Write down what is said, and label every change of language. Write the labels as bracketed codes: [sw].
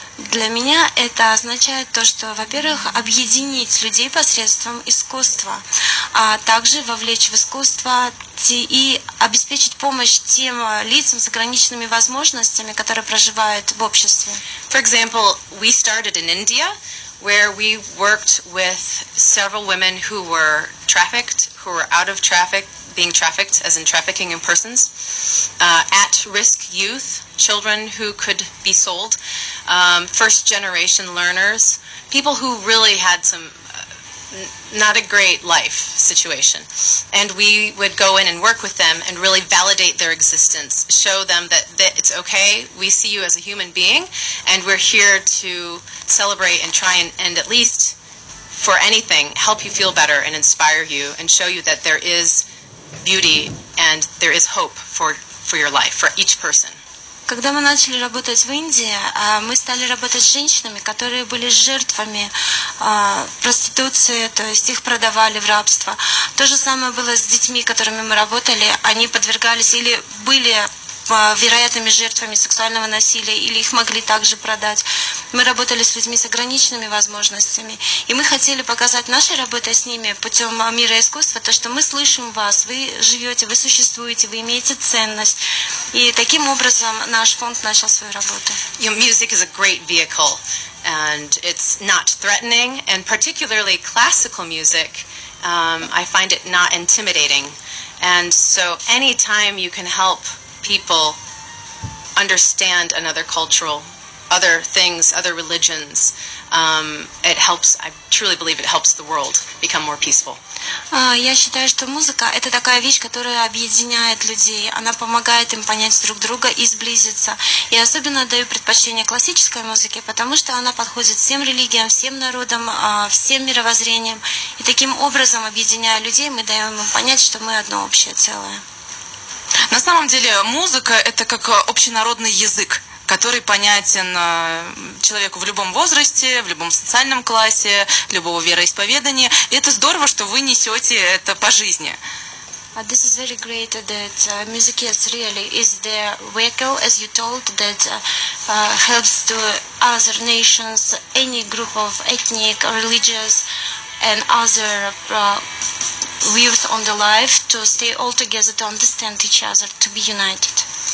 [ru] Для меня это означает то, что, во-первых, объединить людей посредством искусства, а также вовлечь в искусство и обеспечить помощь тем лицам с ограниченными возможностями, которые проживают в обществе. [en] For example, we started in India, where we worked with several women who were trafficked, who were out of traffic, being trafficked, as in trafficking in persons, at-risk youth, children who could be sold, first-generation learners, people who really had some not a great life situation. And we would go in and work with them and really validate their existence, show them that it's okay, we see you as a human being, and we're here to celebrate and try and at least, for anything, help you feel better and inspire you and show you that there is beauty and there is hope for your life, for each person. [ru] Когда мы начали работать в Индии, мы стали работать с женщинами, которые были жертвами проституции, то есть их продавали в рабство. То же самое было с детьми, которыми мы работали. Они подвергались или были вероятными жертвами сексуального насилия, или их могли также продать. Мы работали с людьми с ограниченными возможностями, и мы хотели показать нашей работой с ними путем мира искусства то, что мы слышим вас, вы живете, вы существуете, вы имеете ценность. И таким образом наш фонд начал свою работу. [en] Your music is a great vehicle, and it's not threatening, and particularly classical music, I find it not intimidating. And so anytime you can help people understand another cultural, other things, other religions, it helps, I truly believe it helps the world become more peaceful. [ru] Я считаю, что музыка – это такая вещь, которая объединяет людей. Она помогает им понять друг друга и сблизиться. И особенно даю предпочтение классической музыке, потому что она подходит всем религиям, всем народам, всем мировоззрениям. И таким образом, объединяя людей, мы даем им понять, что мы одно общее целое. На самом деле музыка – это как общенародный язык, который понятен человеку в любом возрасте, в любом социальном классе, любого вероисповедания. И это здорово, что вы несете это по жизни. [en] This is very great that music is really is the vehicle, as you told, that helps to other nations, any group of ethnic, religious and other views on the life to stay all together, to understand each other, to be united.